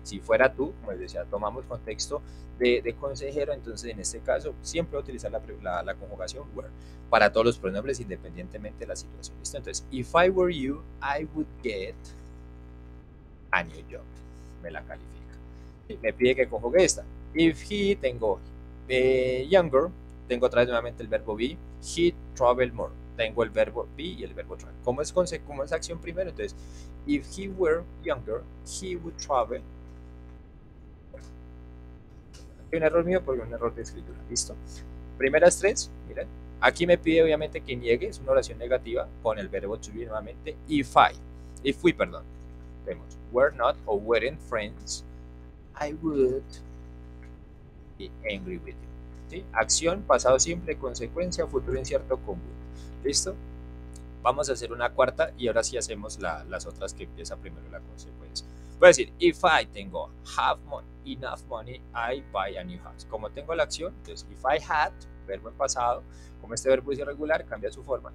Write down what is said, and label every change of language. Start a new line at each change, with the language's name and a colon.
Spanish: Si fuera tú, como les decía, tomamos contexto de consejero, entonces en este caso siempre voy a utilizar la conjugación were para todos los pronombres independientemente de la situación. ¿Listo?
English: Entonces, if I were you, I would get a new job.
Spanish: Me la califica. ¿Sí? Me pide que conjugue esta. If he, tengo younger, tengo otra vez nuevamente el verbo be,
English: he traveled more.
Spanish: Tengo el verbo be y el verbo travel. ¿Cómo es acción primero?
English: Entonces, if he were younger, he would travel.
Spanish: Un error mío porque un error de escritura. ¿Listo? Primeras tres, miren. Aquí me pide obviamente que niegue, es una oración negativa con el verbo to be nuevamente. If we, perdón.
English: Vemos, were not o weren't friends, I would be angry with you.
Spanish: ¿Sí? Acción, pasado simple, consecuencia, futuro incierto, cómputo. ¿Listo? Vamos a hacer una cuarta y ahora sí hacemos las otras que empieza primero la consecuencia. Voy a decir,
English: if I tengo have enough money, I buy a new house.
Spanish: Como tengo la acción, entonces
English: if I had,
Spanish: verbo en pasado, como este verbo es irregular, cambia su forma.